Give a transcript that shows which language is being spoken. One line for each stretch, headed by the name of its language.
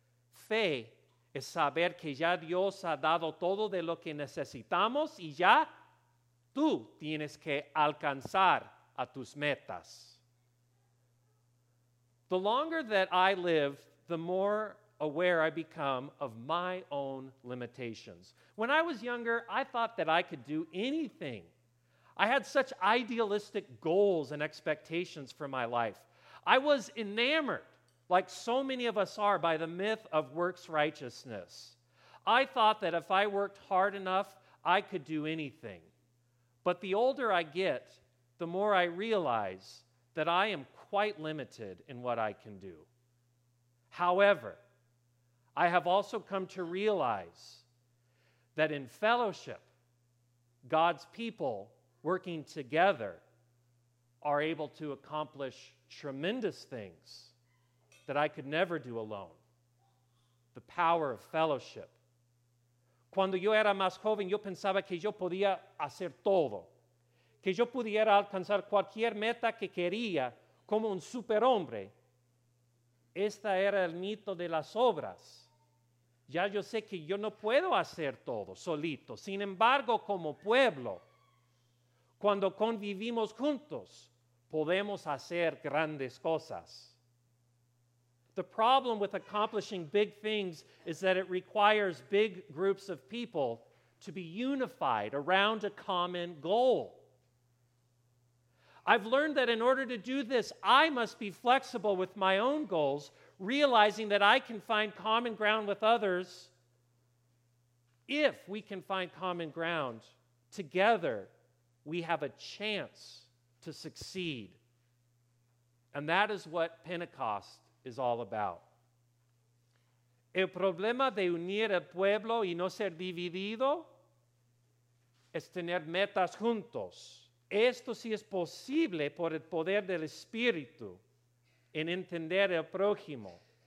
Spanish: Fe es saber que ya Dios ha dado todo de lo que necesitamos y ya tú tienes que alcanzar a tus metas.
English: The longer that I live, the more aware I become of my own limitations. When I was younger, I thought that I could do anything. I had such idealistic goals and expectations for my life. I was enamored, like so many of us are, by the myth of works righteousness. I thought that if I worked hard enough, I could do anything. But the older I get, the more I realize that I am quite limited in what I can do. However, I have also come to realize that in fellowship, God's people working together are able to accomplish tremendous things that I could never do alone. The power of fellowship.
Spanish: Cuando yo era más joven, yo pensaba que yo podía hacer todo, que yo pudiera alcanzar cualquier meta que quería como un superhombre. Este era el mito de las obras. Ya yo sé que yo no puedo hacer todo solito. Sin embargo, como pueblo, cuando convivimos juntos, podemos hacer grandes cosas.
English: The problem with accomplishing big things is that it requires big groups of people to be unified around a common goal. I've learned that in order to do this, I must be flexible with my own goals, realizing that I can find common ground with others if we can find common ground together. We have a chance to succeed. And that is what Pentecost is all about.
Spanish: El problema de unir el pueblo y no ser dividido es tener metas juntos. Esto sí es posible por el poder del Espíritu en entender el prójimo.